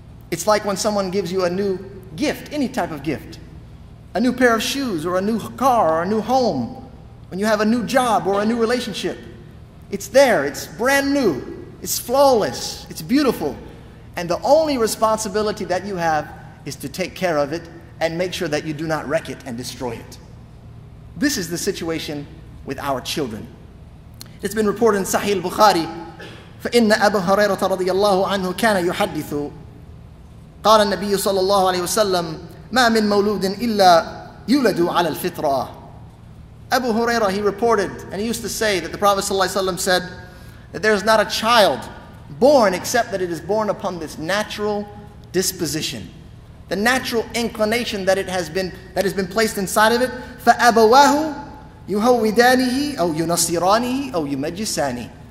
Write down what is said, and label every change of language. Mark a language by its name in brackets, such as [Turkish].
[English] It's like when someone gives you a new gift, any type of gift, a new pair of shoes or a new car or a new home, when you have a new job or a new relationship. It's there, it's brand new, it's flawless, it's beautiful. And the only responsibility that you have is to take care of it and make sure that you do not wreck it and destroy it. This is the situation with our children. It's been reported in Sahih al-Bukhari, [Arabic] فَإِنَّ أَبُو هُرَيْرَةَ رَضِيَ اللَّهُ عَنْهُ كَانَ يُحَدِّثُ قَالَ النَّبِيُّ صَلَى اللَّهُ عَلَيْهُ وَسَلَّمْ مَا مِن مَوْلُودٍ إِلَّا يُولَدُ عَلَى الْفِطْرَةِ. [English] Abu Hurairah, he reported, and he used to say that the Prophet ﷺ said that there is not a child born except that it is born upon this natural disposition, the natural inclination that it has been that has been placed inside of it. [Arabic] فَأَبَوَاهُ يُهَوِّدَانِهِ أَوْ يُنَصِّرَانِهِ أَوْ يُمَجِّسَانِهِ.